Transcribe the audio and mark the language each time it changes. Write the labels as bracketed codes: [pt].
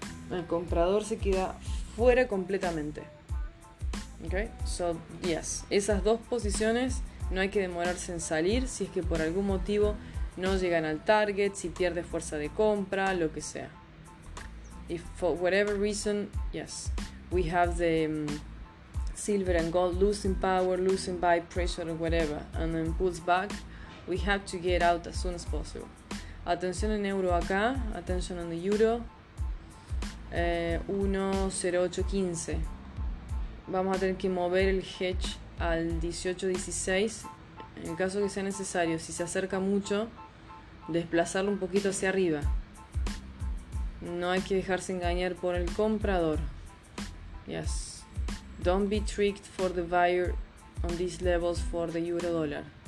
[es] El comprador se queda fuera completamente. Okay? So, yes. Esas dos posiciones no hay que demorarse en salir si es que por algún motivo no llegan al target, si pierde fuerza de compra, lo que sea. [en] If for whatever reason, yes, we have the silver and gold losing power, losing buy pressure, or whatever, and then pulls back, we have to get out as soon as possible. [es] Atención en euro acá, atención en [en] the euro, [es] 1.0815. Vamos a tener que mover el hedge al 18.16 en caso que sea necesario. Si se acerca mucho, desplazarlo un poquito hacia arriba. No hay que dejarse engañar por el comprador. [en] Yes. Don't be tricked for the buyer on these levels for the euro dollar.